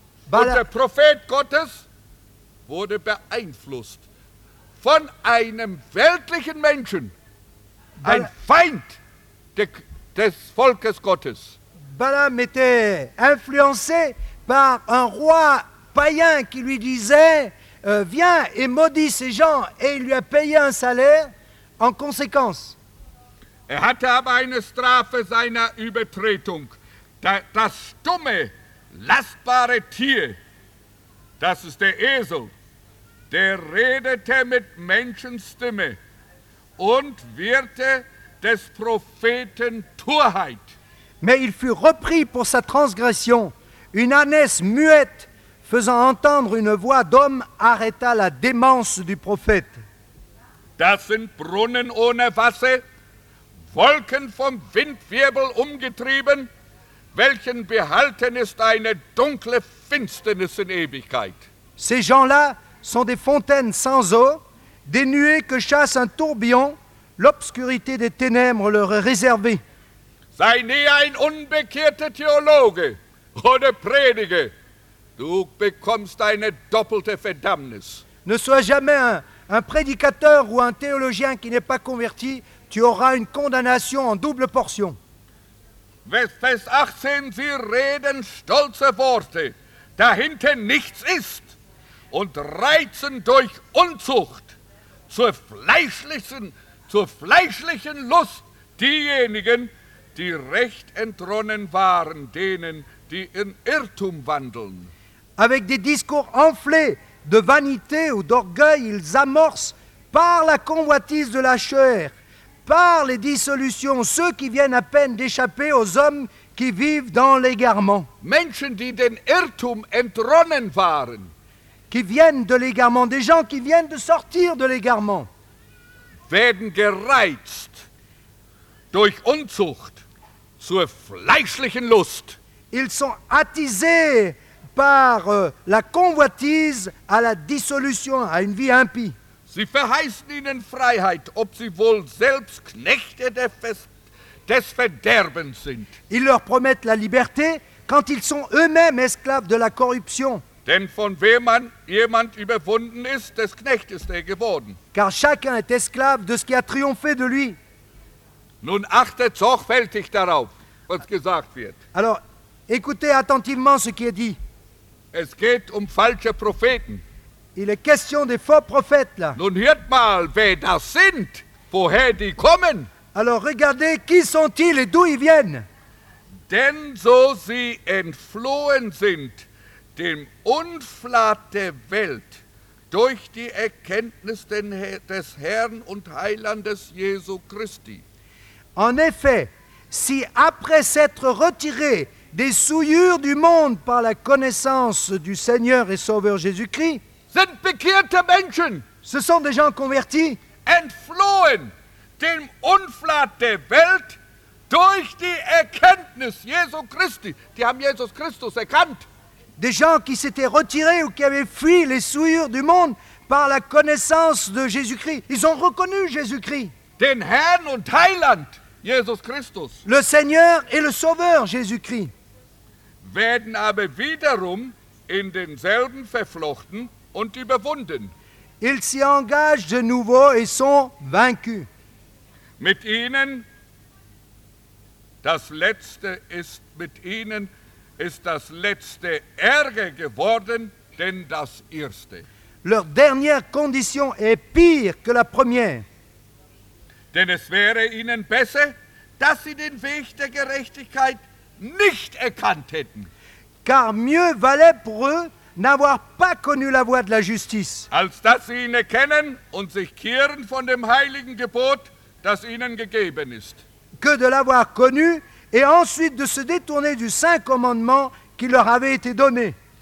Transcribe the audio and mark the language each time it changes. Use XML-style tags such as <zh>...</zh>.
<de>Und der Prophet Gottes wurde beeinflusst von einem weltlichen Menschen, ein Feind des Volkes Gottes.</de> <fr>Balaam était influencé par un roi païen qui lui disait « Viens et maudis ces gens » et il lui a payé un salaire en conséquence.</fr> <de>Er hatte aber eine Strafe seiner Übertretung. Das stumme, lastbare Tier, das ist der Esel, der redete mit Menschenstimme und wirrte des Propheten Torheit.</de> <fr>Mais il fut repris pour sa transgression. Une ânesse muette, faisant entendre une voix d'homme, arrêta la démence du prophète.</fr> <de>Das sind Brunnen ohne Wasser, Wolken vom Windwirbel umgetrieben, welchen behalten ist eine dunkle Finsternis in Ewigkeit.</de> <fr>Ces gens-là sont des fontaines sans eau, des nuées que chasse un tourbillon, l'obscurité des ténèbres leur est réservée.</fr> <de>Sei nie ein unbekehrter Theologe oder Predige, du bekommst eine doppelte Verdammnis.</de> <fr>Ne sois jamais un prédicateur ou un théologien qui n'est pas converti, tu auras une condamnation en double portion.</fr> <de>Vers 18, sie reden stolze Worte, dahinter nichts ist, und reizen durch Unzucht zur fleischlichen Lust diejenigen, die recht entronnen waren, denen, die in Irrtum wandeln.</de> <fr>Avec des discours enflés de vanité ou d'orgueil, ils amorcent par la convoitise de la chair, par les dissolutions, ceux qui viennent à peine d'échapper aux hommes qui vivent dans l'égarement.</fr> <de>Menschen, die den Irrtum entronnen waren,</de> <fr>qui viennent de l'égarement, des gens qui viennent de sortir de l'égarement,</fr> <de>werden gereizt durch Unzucht zur fleischlichen Lust.</de> <fr>Ils sont attisés par la convoitise à la dissolution, à une vie impie.</fr> <de>Sie verheißen ihnen Freiheit, ob sie wohl selbst Knechte des Verderbens sind.</de> <fr>Ils leur promettent la liberté quand ils sont eux-mêmes esclaves de la corruption.</fr> <de>Denn von wem man jemand überwunden ist, des Knechtes ist er geworden.</de> <fr>Car chacun est esclave de ce qui a triomphé de lui.</fr> <de>Nun achtet sorgfältig darauf, was gesagt wird.</de> <fr>Alors, écoutez attentivement ce qui est dit.</fr> <de>Es geht falsche Propheten.</de> <fr>Il est question des faux prophètes là.</fr> <de>Nun hört mal, wer das sind, woher die kommen.</de> <fr>Alors regardez, qui sont-ils et d'où ils viennent.</fr> <de>Denn so sie entflohen sind dem Unflat der Welt durch die Erkenntnis des Herrn und Heilandes Jesu Christi.</de> <fr>En effet, si après s'être retiré des souillures du monde par la connaissance du Seigneur et Sauveur Jésus-Christ,</fr> <de>sind bekehrte Menschen,</de> <fr>ce sont des gens convertis,</fr> <de>entflohen dem Unflat der Welt durch die Erkenntnis Jesu Christi. Die haben Jesus Christus erkannt.</de> <fr>Des gens qui s'étaient retirés ou qui avaient fui les souillures du monde par la connaissance de Jésus-Christ. Ils ont reconnu Jésus-Christ.</fr> <de>Den Herrn und Heiland, Jesus Christus.</de> <fr>Le Seigneur et le Sauveur Jésus-Christ.</fr> <de>Werden aber wiederum in denselben verflochten und überwunden.</de> <fr>Ils s'y engagent de nouveau et sont vaincus.</fr> <de>Mit ihnen, das Letzte ist mit ihnen, ist das Letzte ärger geworden, denn das Erste.</de> <fr>Leur dernière condition est pire que la première.</fr> <de>Denn es wäre ihnen besser, dass sie den Weg der Gerechtigkeit nicht erkannt hätten.</de> <fr>Car mieux valait pour eux n'avoir pas connu la voie de la justice.</fr> <de>Als dass sie ihn erkennen und sich kehren von dem heiligen Gebot, das ihnen gegeben ist.</de> <fr>Que de l'avoir connu et ensuite de se détourner du saint commandement qui leur avait été donné.</fr>